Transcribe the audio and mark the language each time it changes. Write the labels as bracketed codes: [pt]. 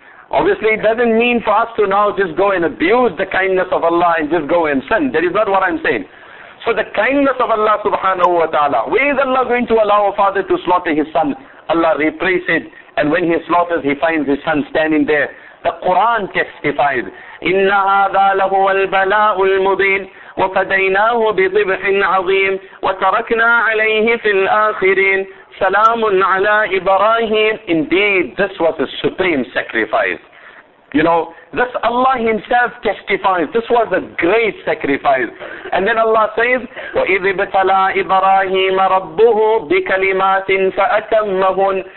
[en] Obviously, it doesn't mean for us to now just go and abuse the kindness of Allah and just go and sin. That is not what I'm saying. So the kindness of Allah subhanahu wa ta'ala, where is Allah going to allow a father to slaughter his son? Allah replaces it And when he slaughters, he finds his son standing there. The Quran testifies, [ar] إِنَّ هَذَا لَهُوَ الْبَلَاءُ الْمُبِينُ وَفَدَيْنَاهُ بِضِبْحٍ عَظِيمٍ وَتَرَكْنَا عَلَيْهِ فِي الْآخِرِينَ سَلَامٌ عَلَىٰ إِبْرَاهِيمَ. [en] Indeed, this was a supreme sacrifice. You know, this Allah Himself testifies, this was a great sacrifice. And then Allah says, [ar] وَإِذْ بَتَلَىٰ إِبْرَاهِيمَ رَبُّهُ بِكَلِمَاتٍ فَأَتَمَّهُنْ.